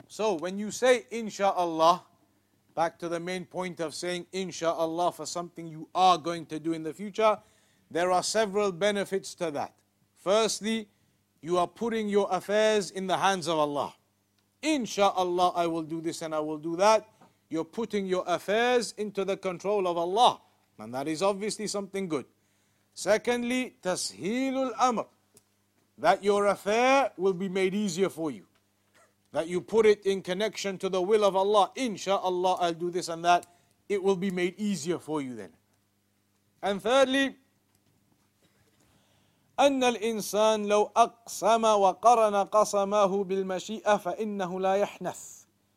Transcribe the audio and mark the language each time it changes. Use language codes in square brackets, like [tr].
[en] So when you say inshallah, back to the main point of saying inshallah for something you are going to do in the future, there are several benefits to that. Firstly, you are putting your affairs in the hands of Allah. Inshallah, I will do this and I will do that. You're putting your affairs into the control of Allah. And that is obviously something good. Secondly, [ar] تَسْهِيلُ الْأَمْرِ. [en] That your affair will be made easier for you. That you put it in connection to the will of Allah. Inshallah, I'll do this and that. It will be made easier for you then. And thirdly, [ar] أَنَّ الْإِنسَانَ لَوْ أَقْسَمَ وَقَرَنَ قَسَمَهُ بِالْمَشِيئَةِ فَإِنَّهُ لَا يَحْنَثُ.